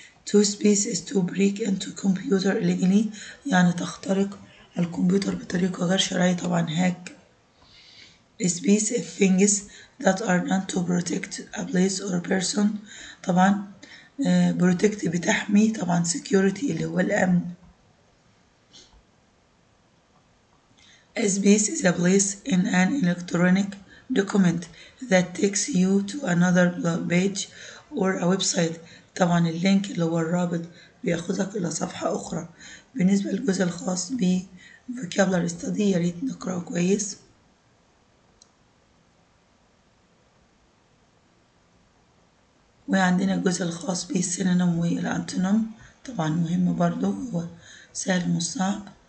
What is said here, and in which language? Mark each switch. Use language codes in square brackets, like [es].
[en] Two space is to break into computer illegally [ar] يعني تخترق الكمبيوتر بطريقة غير شرعية طبعا هاك. [en] A space is things that are done to protect a place or a person. [ar] طبعا بروتكت بتحمي طبعا security اللي هو الأمن. [en] A space is a place in an electronic document that takes you to another page or a website. [ar] طبعا اللينك اللي هو الرابط بياخذك إلى صفحة أخرى. بالنسبة للجزء الخاص ب [en] vocabulary study [ar] ياريت نقرأه كويس. وعندنا الجزء الخاص بالسينونيم والانتونيم طبعا مهم برضو هو سهل مش صعب.